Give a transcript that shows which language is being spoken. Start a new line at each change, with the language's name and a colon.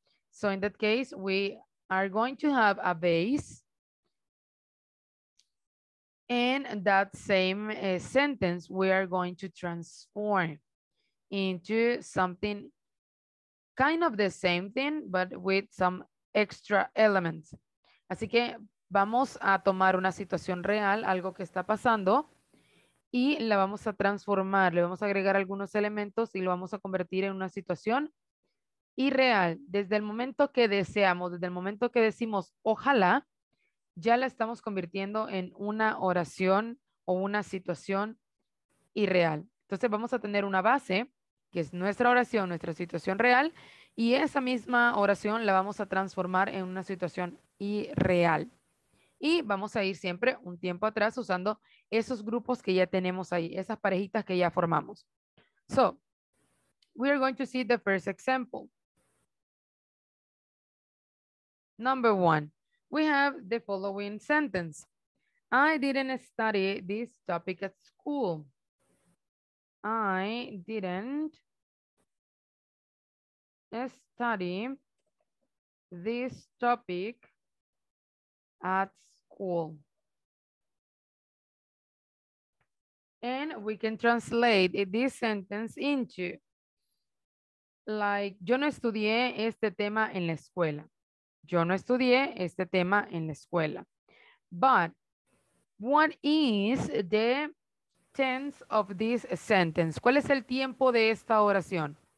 English: So in that case, we are going to have a base and that same sentence we are going to transform into something kind of the same thing, but with some extra elements.
Spanish: Así que vamos a tomar una situación real, algo que está pasando, y la vamos a transformar, le vamos a agregar algunos elementos y lo vamos a convertir en una situación irreal. Desde el momento que deseamos, desde el momento que decimos ojalá, ya la estamos convirtiendo en una oración o una situación irreal. Entonces vamos a tener una base, que es nuestra oración, nuestra situación real, y esa misma oración la vamos a transformar en una situación irreal. Y vamos a ir siempre un tiempo atrás usando esos grupos que ya tenemos ahí, esas parejitas que ya formamos.
English: So, we are going to see the first example. Number one, we have the following sentence. I didn't study this topic at school. I didn't study this topic at school. And we can translate this sentence into, like,
Spanish: yo no estudié este tema en la escuela. Yo no estudié este tema en la escuela.
English: But what is the tense of this sentence?
Spanish: ¿Cuál es el tiempo de esta oración?